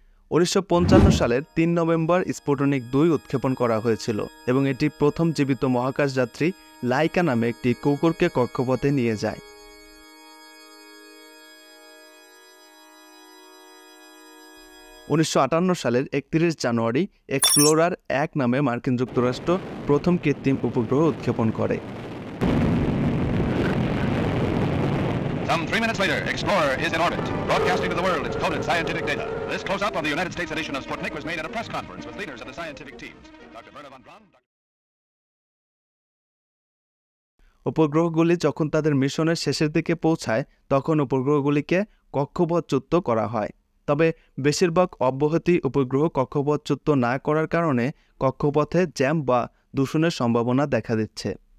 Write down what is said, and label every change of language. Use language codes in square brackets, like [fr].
[bn] 1955 সালের 3 November Sputnik 2 উৎক্ষেপণ করা হয়েছিল এবং এটি প্রথম জীবিত মহাকাশ যাত্রী লাইকা নামে একটি কুকুরকে কক্ষপথে নিয়ে যায়। ১৯৫৮ সালের 31 জানুয়ারি এক্সপ্লোরার 1 নামে মার্কিন যুক্তরাষ্ট্র প্রথম কৃত্রিম উপগ্রহ উৎক্ষেপণ করে। [en] Some 3 minutes later, Explorer is in orbit, broadcasting to the world its coded scientific data. This close up on the United States edition of Sputnik was made at a press conference with leaders of the scientific teams. Dr. Werner von Braun. [bn] উপগ্রহগুলি যখন তাদের মিশনের শেষের দিকে পৌঁছায় তখন উপগ্রহগুলিকে কক্ষপথচ্যুত করা হয়। তবে বেশিরভাগ অব্যাহতি উপগ্রহ কক্ষপথচ্যুত না করার কারণে কক্ষপথে জ্যাম বা দূষণের সম্ভাবনা দেখা দিচ্ছে।